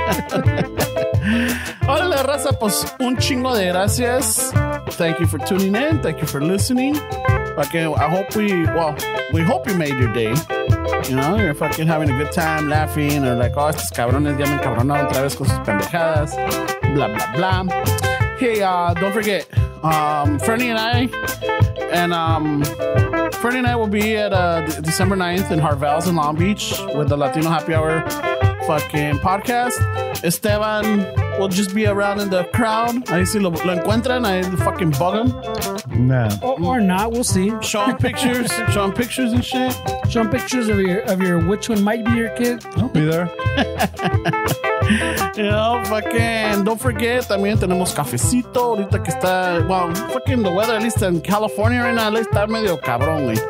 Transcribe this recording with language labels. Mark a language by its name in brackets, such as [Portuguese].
[Spanish] Hola, la raza, pues un chingo de gracias. [English] Thank you for tuning in. Thank you for listening. Fucking, I hope we hope you made your day. You know, you're fucking having a good time laughing or like, oh, [Spanish] estos cabrones ya me encabronaron otra vez con sus pendejadas. [English] Blah, blah, blah. Hey, don't forget, Fernie and I will be at December 9th in Harvell's in Long Beach with the Latino Happy Hour fucking podcast. Esteban will just be around in the crowd. [Spanish] Ahí si lo encuentran, ahí fucking [English] bug him. Nah. Or not, we'll see. Show him pictures and shit. Show him pictures of your which one might be your kid. I'll be there. You know, fucking, don't forget, [Spanish] también tenemos cafecito ahorita que está, [English] well, fucking the weather, at least in California right now, at least [Spanish] está medio cabrón, güey.